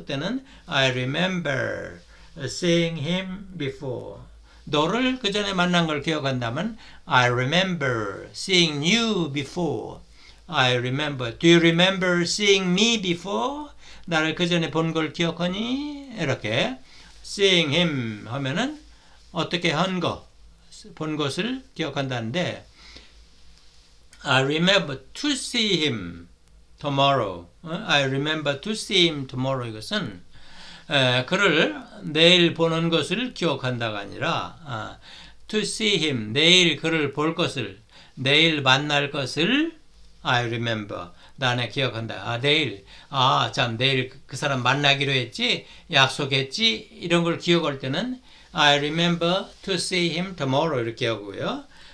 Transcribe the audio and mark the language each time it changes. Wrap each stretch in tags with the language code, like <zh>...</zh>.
<ko>그때는</ko> <en>I remember seeing him before.</en> <ko>너를 그 전에 만난 걸 기억한다면</ko> <en>I remember seeing you before. I remember. Do you remember seeing me before?</en> <ko>나를 그 전에 본걸 기억하니? 이렇게 seeing him 하면은 어떻게 한 거, 본 것을 기억한다는데</ko> <en>I remember to see him tomorrow. I remember to see him tomorrow.</en> <ko>이것은 그를 내일 보는 것을 기억한다가 아니라 to see him, 내일 그를 볼 것을, 내일 만날 것을 I remember, 나는 기억한다. 아, 내일, 아, 참, 내일 그 사람 만나기로 했지, 약속했지, 이런 걸 기억할 때는</ko> <en>I remember to see him tomorrow</en> <ko>이렇게 하고요.</ko>